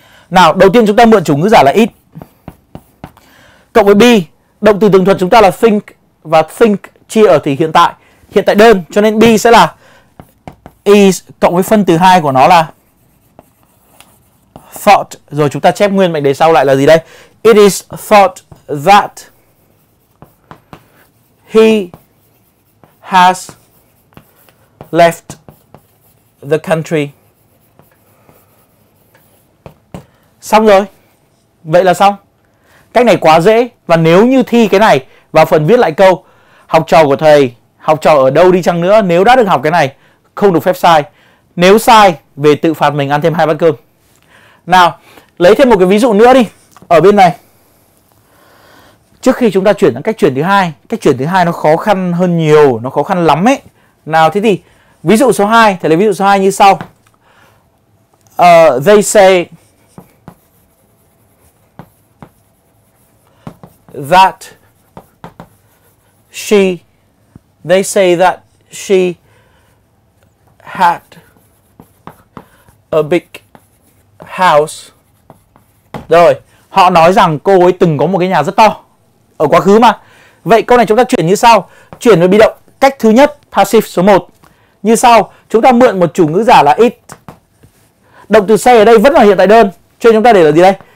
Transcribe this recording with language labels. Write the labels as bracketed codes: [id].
[vi] Nào, đầu tiên chúng ta mượn chủ ngữ giả là it. Cộng với be, động từ tường thuật chúng ta là think. Và think chia ở thì hiện tại đơn, cho nên be sẽ là is cộng với phân từ 2 của nó là thought. Rồi chúng ta chép nguyên mệnh đề sau lại là gì đây? [en] It is thought that he has left the country. [vi] Xong rồi. Vậy là xong. Cách này quá dễ. Và nếu như thi cái này vào phần viết lại câu, học trò của thầy, học trò ở đâu đi chăng nữa, nếu đã được học cái này, không được phép sai. Nếu sai, về tự phạt mình ăn thêm 2 bát cơm. Nào, lấy thêm một cái ví dụ nữa đi. Ở bên này, trước khi chúng ta chuyển sang cách chuyển thứ hai, cách chuyển thứ hai nó khó khăn hơn nhiều, nó khó khăn lắm ấy. Nào, thế thì ví dụ số 2, thầy lấy ví dụ số 2 như sau. [en] They say that she, they say that she had a big house. [vi] Rồi, họ nói rằng cô ấy từng có một cái nhà rất to. Ở quá khứ mà. Vậy câu này chúng ta chuyển như sau. Chuyển về bị động. Cách thứ nhất, passive số 1. Như sau, chúng ta mượn một chủ ngữ giả là it. Động từ say ở đây vẫn là hiện tại đơn. Cho nên chúng ta để là gì đây?